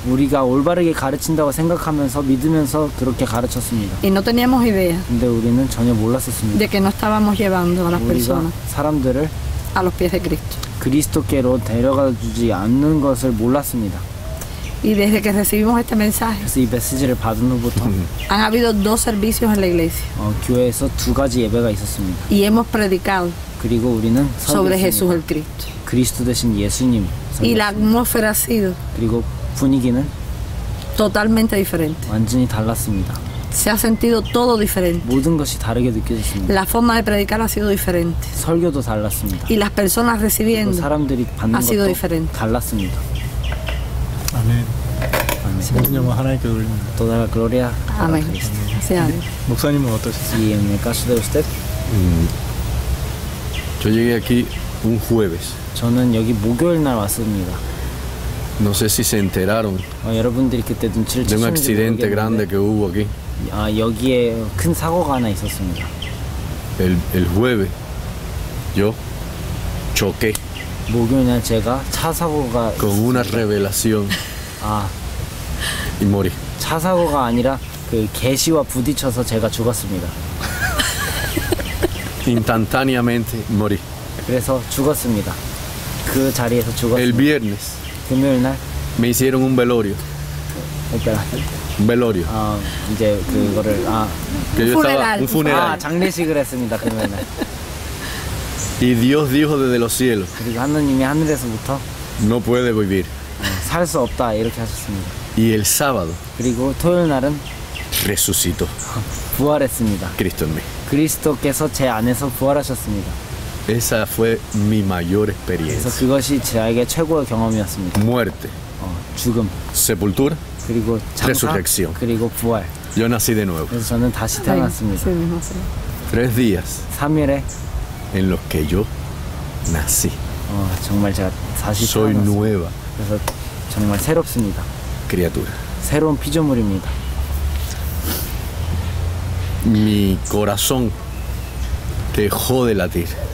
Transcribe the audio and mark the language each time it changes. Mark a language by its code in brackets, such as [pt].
[ko] 우리가 올바르게 가르친다고 생각하면서 믿으면서 그렇게 가르쳤습니다. [es] Y no teníamos idea. [ko] 근데 우리는 전혀 몰랐었습니다. [es] De que no estábamos llevando a las personas. [ko] 사람들을 [es] a los pies de Cristo. [ko] 그리스도께로 데려가 주지 않는 것을 몰랐습니다. [es] Y desde que recibimos este mensaje. [ko] 이 메시지를 받은 후부터 [es] han habido dos servicios en la iglesia. [ko] 교회에서 두 가지 예배가 있었습니다. [es] Y hemos predicado. [ko] 그리고 우리는 [es] sobre Jesús el Cristo. [ko] 그리스도 대신 예수님. [es] Y la atmósfera ha sido. [ko] 그리고 분위기는 [es] totalmente diferente. [ko] 완전히 달랐습니다. [es] Se ha sentido todo diferente. [ko] 모든 것이 다르게 느껴졌습니다. [es] La forma de predicar ha sido diferente. [ko] 설교도 달랐습니다. [es] Y las personas recibiendo. [ko] 사람들이 받는 [es] ha sido diferente. [ko] 달랐습니다. 아멘. 아멘. 하나님께 돌립니다. [es] Toda la gloria. [ko] 아멘. 아멘. 목사님은 어떠셨어요? [es] Y en el caso de usted. Yo llegué aquí un jueves. [ko] 저는 여기 목요일 날 왔습니다. [es] No sé si se enteraron. [ko] 여러분들이 그때 눈치를 [es] de un accidente grande que hubo aquí. [ko] 여기에 큰 사고가 하나 있었습니다. [es] El jueves yo choqué. [ko] 목요일 날 제가 차 사고가 [es] con una revelación. [ko] 아. 이 머리. 차 사고가 아니라 그 계시와 부딪혀서 제가 죽었습니다. [es] Instantáneamente morí. [ko] 그래서 죽었습니다. 그 자리에서 죽었습니다. [es] El viernes. [ko] 금요일 날 [es] me hicieron un velorio. [ko] 그러니까 [es] velorio. [ko] 이제 그거를 [es] funeral. [ko] 장례식을 했습니다. 금요일 날. [es] Y Dios dijo desde los cielos. [ko] 그리고 하나님이 하늘에서부터 [es] no puede vivir. [ko] 살 수 없다 이렇게 하셨습니다. [es] Y el sábado. [ko] 그리고 토요일 날은 [es] resucitó. [ko] 부활했습니다. [es] Cristo en mí. [ko] 그리스도께서 제 안에서 부활하셨습니다. [es] Esa fue mi mayor experiencia. [ko] 그래서 그것이 제게 최고의 경험이었습니다. [es] Muerte. [ko] 죽음. [es] Sepultura. [ko] 그리고 장사. [es] Resurrección. [ko] 그리고 부활. [es] Yo nací de nuevo. [ko] 그래서 저는 다시 태어났습니다. [es] 3 días. [ko] 3일에 [es] en los que yo nací. [ko] 정말 제가 다시 [es] soy nueva. [ko] 그래서 정말 새롭습니다. [es] Criatura. [ko] 새로운 피조물입니다. [es] Mi corazón dejó de latir.